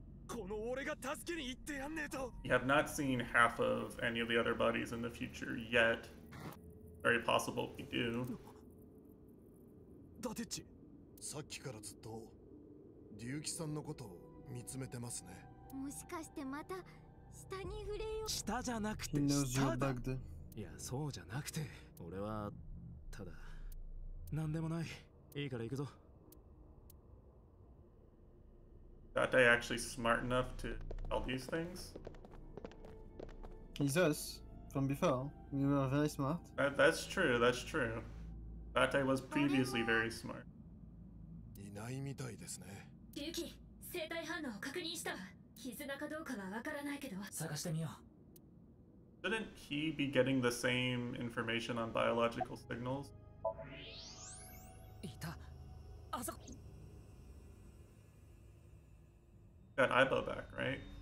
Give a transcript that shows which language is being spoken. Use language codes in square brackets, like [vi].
[en] You have not seen half of any of the other bodies in the future yet. Very possible we do. Datechi, [ja] さっきからずっと、リュウキさんのことを見つめてますね。もしかしてまた。下に触れよ。下じゃなくて下だ。いや、そうじゃなくて、俺はただ何でもない。いいから行くぞ。 [en] That guy actually smart enough to tell these things? He's us from before. We were very smart. That's true. That's true. That guy was previously very smart. [ja] いないみたいですね。リュウキ、生体反応を確認した。絆かどうかはわからないけど、探してみよう。 [en] Shouldn't he be getting the same information on biological signals? [ja] いた、あそこ。 [en] Got Ibo back, right?